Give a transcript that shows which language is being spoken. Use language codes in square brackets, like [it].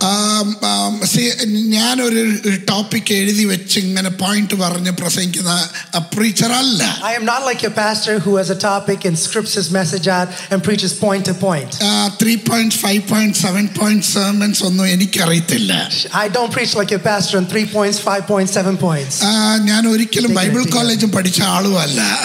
[en] I am not like your pastor who has a topic and scripts his message out and preaches point to point. 3 points, 5 points, 7 points sermons [ml] ഒന്നും എനിക്കറിയത്തില്ല. [en] I don't preach like a pastor on 3 points, 5 points, 7 points. [ml] ഞാൻ ഒരിക്കലും Bible കോളേജും പഠിച്ച ആളും അല്ല.